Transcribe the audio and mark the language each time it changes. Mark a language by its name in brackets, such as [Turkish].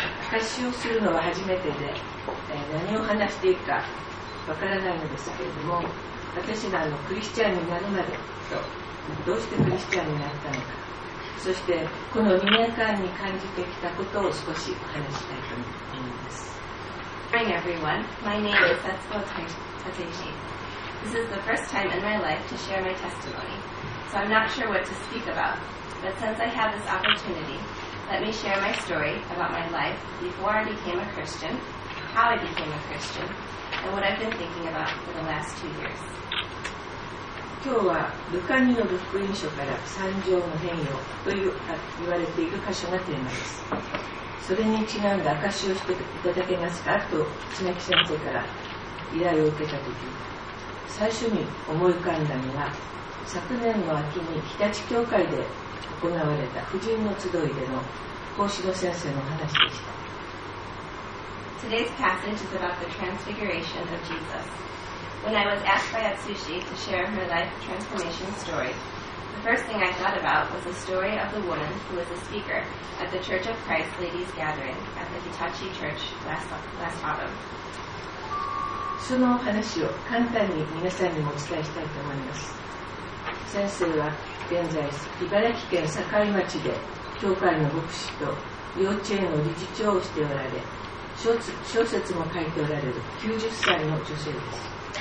[Japanese] 発信するのは初めてで、何を話していいかわからないのですけれども、私がクリスチャンになるまでと、どうしてクリスチャンになったのか、そしてこの2年間に感じてきたことを少しお話したいと思います。 [English] Hi everyone, my name is Setsuko Tateishi. This is the first time in my life to share my testimony, so I'm not sure what to speak about, but since I have this opportunity, let me share my story about my life before I became a Christian, how I became a Christian, and what I've been thinking about for the last 2 years. [Japanese] 今日はルカニの福音書から三条の変容と言われている箇所がテーマです。それにちなんだ証をしていただけますかと千秋先生から依頼を受けたとき、最初に思い浮かんだのが、昨年の秋に日立教会で行われた婦人の集いでの講師の先生の話でした。 [English] Today's passage is about the transfiguration of Jesus. When I was asked by Atsushi to share her life transformation story, the first thing I thought about was the story of the woman who was a speaker at the Church of Christ Ladies Gathering at the Hitachi Church last autumn. [Japanese] その話を簡単に皆さんにもお伝えしたいと思います。先生は現在茨城県境町で教会の牧師と幼稚園の理事長をしておられ、小説も書いておられる90歳の女性です。